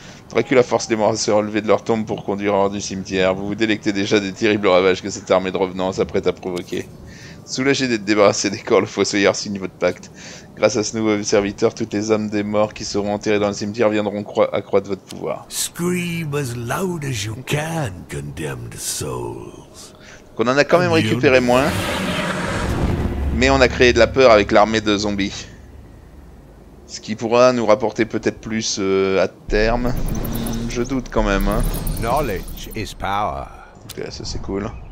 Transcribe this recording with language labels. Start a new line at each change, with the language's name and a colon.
French: Dracula force les morts à se relever de leur tombe pour conduire hors du cimetière. Vous vous délectez déjà des terribles ravages que cette armée de revenants s'apprête à provoquer. Soulagé d'être débarrassé des corps, le fossoyeur signe votre pacte. Grâce à ce nouveau serviteur, toutes les âmes des morts qui seront enterrées dans le cimetière viendront accroître votre pouvoir.
English: Scream as loud as you can, condemned souls.
French: On en a quand même récupéré moins. Mais on a créé de la peur avec l'armée de zombies. Ce qui pourra nous rapporter peut-être plus à terme. Je doute quand même. Hein.
English: Knowledge is power.
French: Ok, ça c'est cool.